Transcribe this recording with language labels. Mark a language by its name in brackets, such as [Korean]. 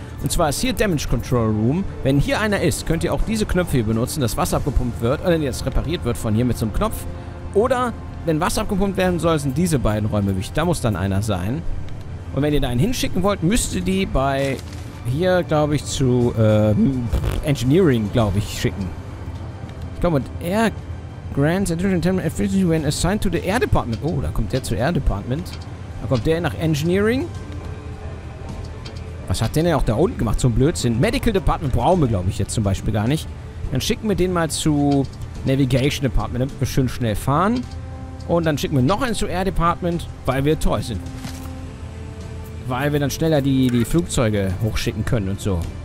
[German] Und zwar ist hier Damage Control Room. Wenn hier einer ist, könnt ihr auch diese Knöpfe hier benutzen, dass Wasser abgepumpt wird. Oder jetzt repariert wird von hier mit so einem Knopf. Oder, wenn Wasser abgepumpt werden soll, sind diese beiden Räume wichtig. Da muss dann einer sein. Und wenn ihr da einen hinschicken wollt, müsst ihr die bei hier, glaube ich, zu Engineering, glaube ich, schicken. Ich glaube, und er... [English] Grants additional temporary efficiency when assigned to the Air Department. [German] Oh, da kommt der zu Air Department. Da kommt der nach Engineering. Was hat denn der auch da unten gemacht? So ein Blödsinn. Medical Department brauchen wir, glaube ich, jetzt zum Beispiel gar nicht. Dann schicken wir den mal zu Navigation Department, damit wir schön schnell fahren. Und dann schicken wir noch einen zu Air Department, weil wir toll sind. Weil wir dann schneller die Flugzeuge hochschicken können und so.